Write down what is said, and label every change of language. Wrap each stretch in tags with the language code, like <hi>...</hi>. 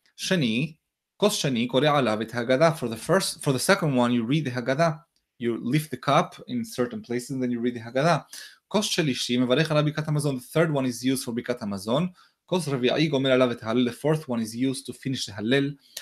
<he>שני, כוס שני קורא עליו את ההגדה.</he> <en>For the second one, you read the Haggadah. You lift the cup in certain places, and then you read the Haggadah.</en> <he>כוס שלישי מברך עליו ברכת המזון.</he> <en>The third one is used for</en> <he>ברכת המזון. כוס רביעי גומר עליו את ההלל.</he> <en>The fourth one is used to finish the Hallel.</en>